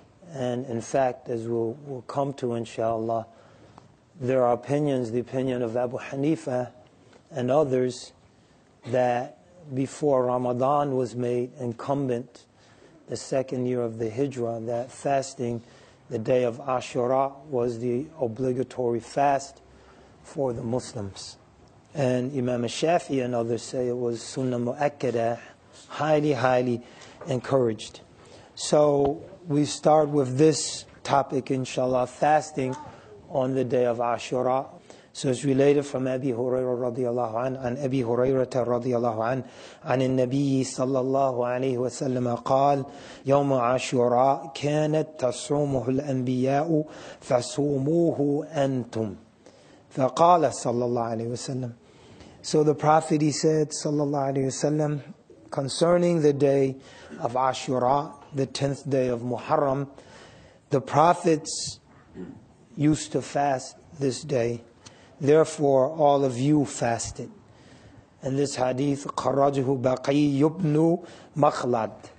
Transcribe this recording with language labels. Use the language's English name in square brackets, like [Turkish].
[English] And in fact, as we'll come to inshallah, there are opinions, the opinion of Abu Hanifa and others, that before Ramadan was made incumbent, the second year of the Hijrah, that fasting the day of Ashura was the obligatory fast for the Muslims. And Imam Shafi and others say it was Sunnah Mu'akkadah, highly, highly encouraged. So we start with this topic, inshallah, fasting on the day of Ashura. So it's related from Abi Huraira radiallahu anhu, and Abi Huraira radiallahu anhu, [Arabic] عن النبي صلى الله عليه وسلم قال يوم عاشوراء كانت تصومه الأنبياء فصوموه أنتم فقال صلى الله عليه وسلم. [English] So the Prophet, he said [Arabic] صلى الله عليه وسلم, [English] concerning the day of Ashura, the 10th day of Muharram, the Prophets used to fast this day. Therefore, all of you fasted. And this hadith, Kharajahu Baqiy ibn Makhlad.